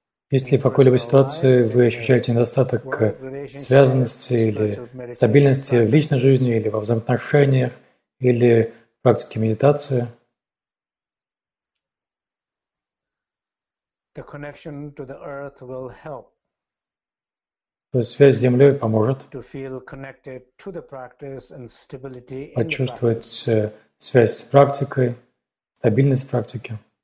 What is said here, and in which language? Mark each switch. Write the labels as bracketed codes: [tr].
[ru] Если в какой-либо ситуации вы ощущаете недостаток связанности или стабильности в личной жизни или во взаимоотношениях или в практике медитации. [en] The connection to the earth will help. [ru] То есть связь с землей поможет. [en] To feel connected to the practice and stability in the [ru] Почувствовать связь с практикой, стабильность практики.